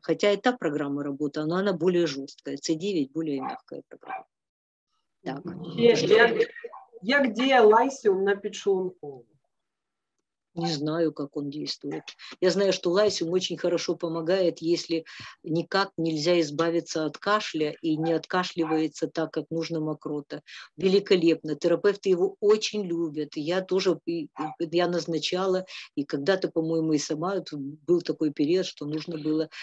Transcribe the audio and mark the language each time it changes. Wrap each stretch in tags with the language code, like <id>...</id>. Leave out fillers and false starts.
<ru>Хотя и та программа работала, но она более жесткая. C9 более мягкая программа.</ru> <uk>Так. Як діє лайсіум на підшлунку?</uk> <ru>Не знаю, как он действует. Я знаю, что лайсиум очень хорошо помогает, если никак нельзя избавиться от кашля и не откашливается так, как нужно мокрота. Великолепно. Терапевты его очень любят. Я назначала, и когда-то, по-моему, и сама, был такой период, что нужно было.</ru>